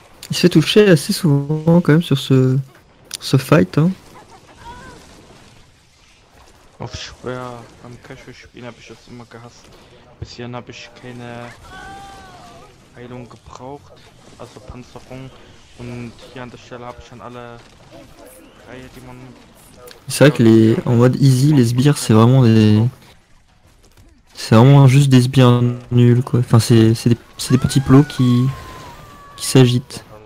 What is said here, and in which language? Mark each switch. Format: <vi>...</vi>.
<fr>Il s'est touché assez souvent quand même sur ce fight hein.</fr> <de>Auf schwer beim Casual Spielen habe ich das immer gehasst. Bis hierhin habe ich keine Heilung gebraucht, also Panzerung. Und hier an der Stelle habe ich dann alle Reihe, die man.</de> <fr>C'est vrai que en mode easy, les sbires c'est vraiment des. C'est vraiment juste des sbires nuls quoi. Enfin, c'est des petits plots qui s'agitent.</fr>